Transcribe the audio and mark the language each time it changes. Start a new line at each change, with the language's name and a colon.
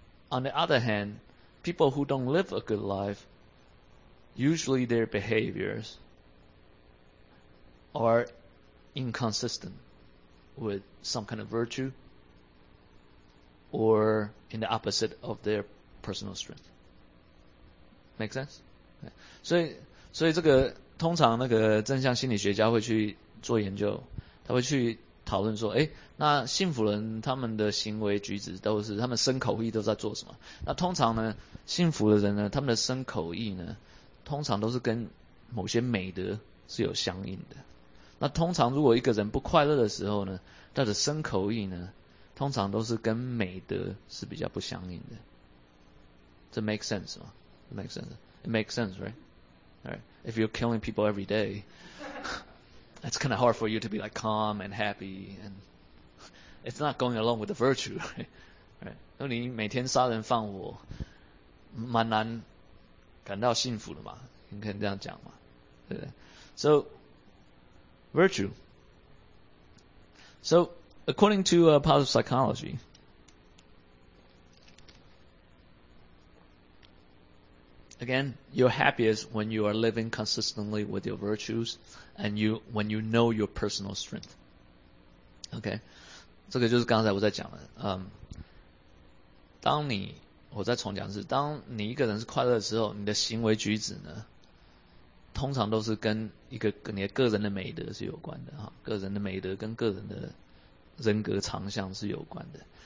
English: On the other hand, people who don't live a good life, usually their behaviors are inconsistent with some kind of virtue or in the opposite of their personal strength. Make sense? Okay.
Chinese: 所以这个通常那个正向心理学家会去做研究，他会去讨论说，诶，那幸福人他们的行为举止都是他们身口意都在做什么。那通常呢，幸福的人呢，他们的身口意呢通常都是跟某些美德是有相应的。那通常如果一个人不快乐的时候呢，他的身口意呢通常都是跟美德是比较不相应的。
English: 这 make sense 吗？Make sense. It makes sense, right? All right. If you're killing people every day, it's kind of hard for you to be like calm and happy, and it's not going along with the virtue, right?
Chinese: 那你每天杀人放火，蛮难感到幸福的嘛，你可以这样讲嘛，对不对？
English: So, virtue. So, according to positive psychology, again, you're happiest when you are living consistently with your virtues and you, when you know your personal strength. Okay?
Chinese: 这个就是刚才我在讲的。当你我在重讲的是当你一个人是快乐的时候，你的行为举止呢通常都是跟一个跟你的个人的美德是有关的。个人的美德跟个人的人格长相是有关的。